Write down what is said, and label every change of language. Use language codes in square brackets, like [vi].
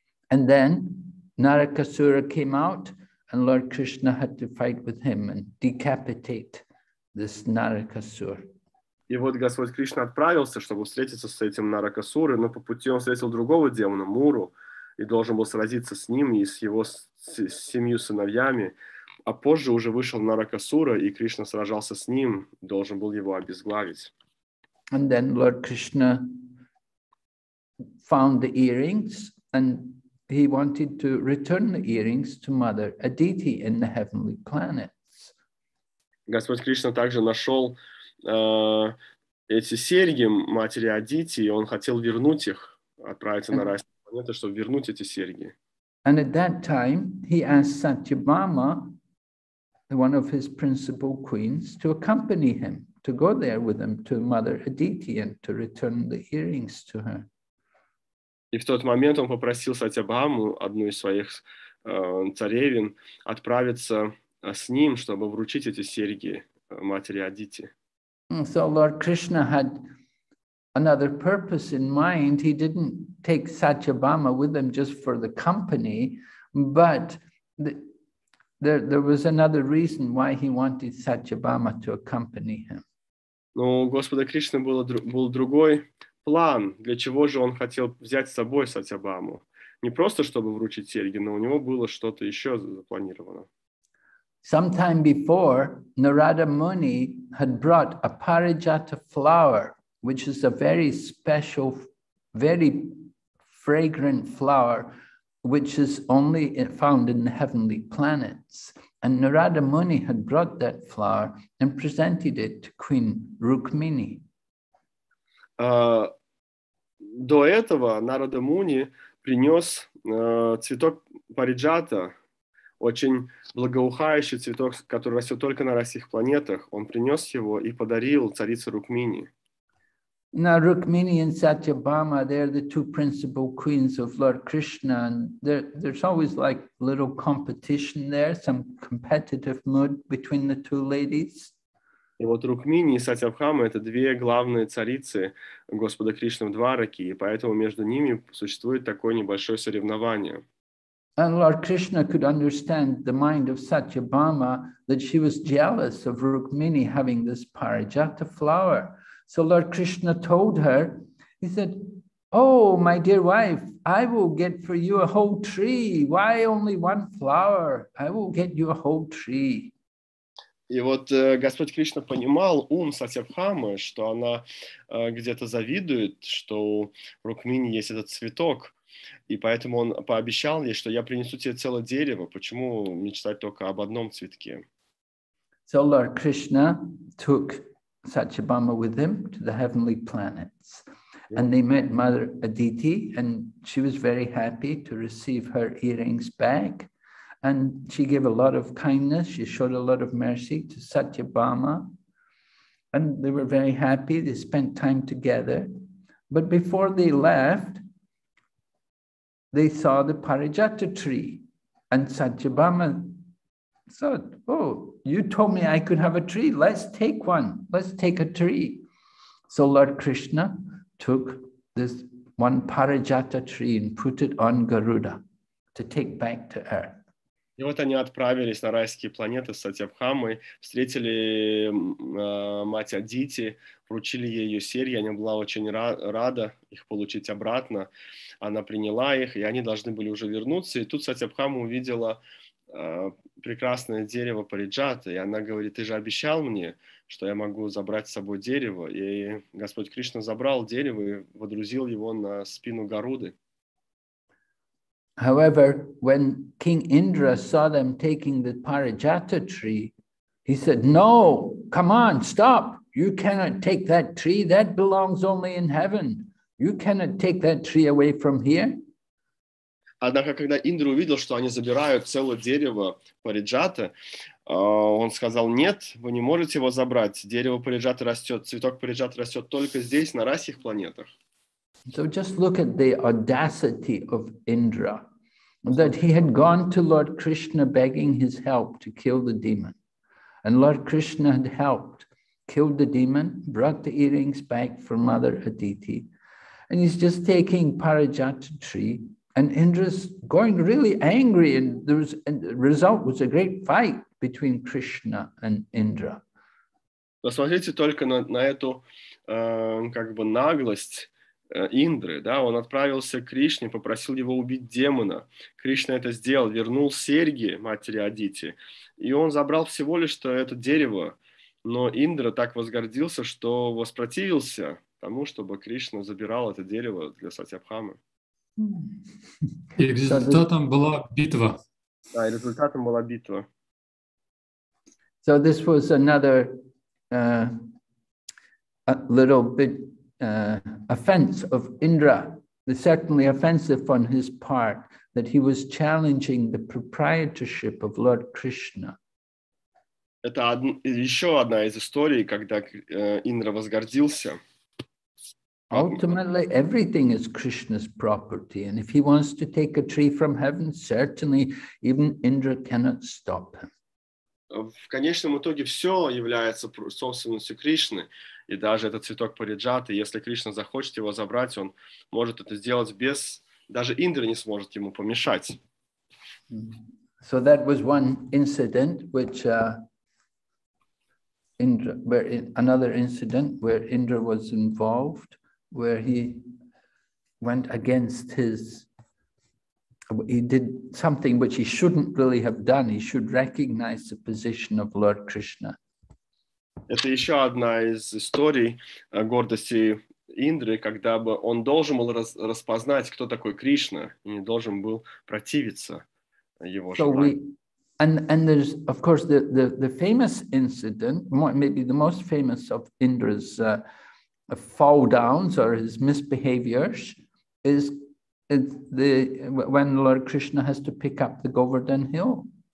[en] And then Narakasura came out, and Lord Krishna had to fight with him and decapitate this Narakasura. [ru] И вот Господь Кришна отправился, чтобы встретиться с этим Наракасурой, но по пути он встретил другого демона, Муру, и должен был сразиться с ним и с его семью сыновьями. А позже уже вышел Наракасура, и Кришна сражался с ним, должен был его обезглавить. [en] And then Lord Krishna found the earrings, and he wanted to return the earrings to Mother Aditi in the heavenly planets. [ru] Господь Кришна также нашел эти серьги матери Адити, и он хотел вернуть их, отправиться на райские планеты, чтобы вернуть эти серьги. [en] And at that time he asked Satyabhama, one of his principal queens, to accompany him, to go there with him to Mother Aditi and to return the earrings to her. [ru] И в тот момент он попросил Сатьябхаму, одну из своих царевин, отправиться с ним, чтобы вручить эти серьги матери Адити. [en] So Lord Krishna had another purpose in mind. He didn't take Satyabhama with him just for the company, but there was another reason why he wanted Satyabhama to accompany him. [ru] Но у Господа Кришны был другой план, для чего же он хотел взять с собой Сатьябхаму. Не просто чтобы вручить серьги, но у него было что-то еще запланировано. [en] Sometime before, Narada Muni had brought a parijata flower, which is a very special, very fragrant flower, which is only found in the heavenly planets. And Narada Muni had brought that flower and presented it to Queen Rukmini. [ru] До этого Нарада Муни принес цветок парижата. Очень благоухающий цветок, который растет только на российских планетах. Он принес его и подарил царице Рукмини. [en] Now Rukmini and Satyabhama, they're the two principal queens of Lord Krishna. And there's always like little competition there, some competitive mood between the two ladies. [ru] И вот Рукмини и Сатьябхама — это две главные царицы Господа Кришны в Двараке, и поэтому между ними существует такое небольшое соревнование. [en] And Lord Krishna could understand the mind of Satyabhama that she was jealous of Rukmini having this parijata flower. So Lord Krishna told her, he said, "Oh, my dear wife, I will get for you a whole tree. Why only one flower? I will get you a whole tree." [ru] И вот Господь Кришна понимал ум Сатьябхамы, что она где-то завидует, что у Рукмини есть этот цветок. И поэтому он пообещал ей, что я принесу тебе целое дерево. Почему мечтать только об одном цветке? [en] So Lord Krishna took Satyabhama with him to the heavenly planets. And they met Mother Aditi, and she was very happy to receive her earrings back. And she gave a lot of kindness, she showed a lot of mercy to Satyabhama. And they were very happy, they spent time together. But before they left, they saw the parijata tree, and Satyabhama thought, "Oh, you told me I could have a tree. Let's take one. Let's take a tree." So Lord Krishna took this one parijata tree and put it on Garuda to take back to Earth. [ru] И вот они отправились на райские планеты с Сатьябхамой, встретили мать Адити, вручили ей ее серьги, она была очень рада их получить обратно. Она приняла их, и они должны были уже вернуться. И тут Сатьябхама увидела прекрасное дерево Париджата, и она говорит: "Ты же обещал мне, что я могу забрать с собой дерево." И Господь Кришна забрал дерево и водрузил его на спину Гаруды. [en] However, when King Indra saw them taking the parijata tree, he said, "No, come on, stop. You cannot take that tree. That belongs only in heaven. You cannot take that tree away from here." [ru] Однако, когда Индра увидел, что они забирают целое дерево парижата, он сказал: "Нет, вы не можете его забрать. Дерево парижата растет, цветок парижата растет только здесь, на райских планетах." [en] So just look at the audacity of Indra. that he had gone to Lord Krishna begging his help to kill the demon. And Lord Krishna had helped, killed the demon, brought the earrings back for Mother Aditi. And he's just taking Parijata tree, and Indra's going really angry, and the result was a great fight between Krishna and Indra. [ru] Посмотрите только на эту как бы наглость Индры, да? Он отправился к Кришне, попросил его убить демона. Кришна это сделал, вернул серьги матери Адити, и он забрал всего лишь что это дерево, но Индра так возгордился, что воспротивился тому, чтобы Кришна забирал это дерево для Сатьябхамы. И результатом была битва. Да, и результатом была битва. [en] So this was another offense of Indra. It's certainly offensive on his part that he was challenging the proprietorship of Lord Krishna. [ru] Это еще одна из историй, когда Индра возгордился. [en] Ultimately, everything is Krishna's property, and if he wants to take a tree from heaven, certainly even Indra cannot stop him. [ru] В конечном итоге все является собственностью Кришны, и даже этот цветок Париджаты, если Кришна захочет его забрать, он может это сделать без, даже Индра не сможет ему помешать. [en] So that was one incident which another incident where Indra was involved, where he went against he did something which he shouldn't really have done. He should recognize the position of Lord Krishna. [ru] Это еще одна из историй гордости Индры, когда бы он должен был распознать, кто такой Кришна, и не должен был противиться его желанию. [en] And there's, of course, the famous incident, maybe the most famous of Indra's fall downs or his misbehaviors is when Lord Krishna has to pick up the Govardhan Hill.